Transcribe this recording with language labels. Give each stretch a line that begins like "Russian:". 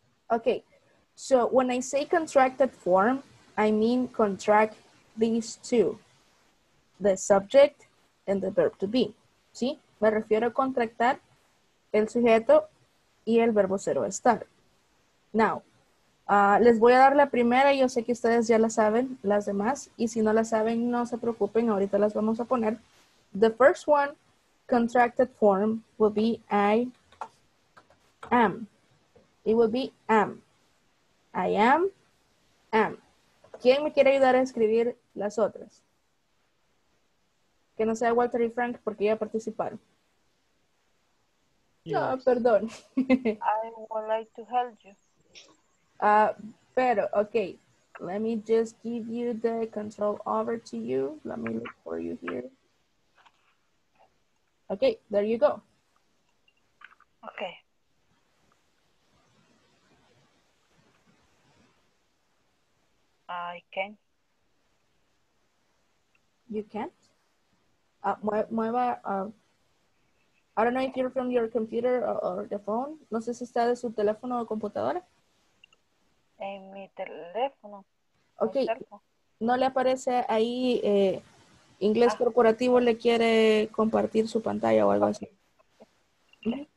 English: Okay, so when I say contracted form, I mean contract these two. The subject and the verb to be. ¿Sí?
Spanish: Me refiero a contractar el sujeto y el verbo ser o estar. Now, les voy a dar la primera. Yo sé que ustedes ya la saben, las demás. Y si no la saben, no se preocupen. Ahorita las vamos a poner.
English: The first one, contracted form, will be I am. It will be am. I am, am.
Spanish: ¿Quién me quiere ayudar a escribir las otras? Que no sea Walter y Frank, porque ya participaron. Yes. No, perdón.
English: I would like to help you.
Spanish: Pero, okay.
English: Let me just give you the control over to you. Let me look for you here. Okay, there you go. Okay. I can. You can't? Mueva... I don't know if you're from your computer or the phone.
Spanish: No sé si está de su teléfono o computadora. En mi teléfono. Ok. ¿No le aparece ahí inglés corporativo? ¿Le quiere compartir su pantalla o algo así?
English: Okay.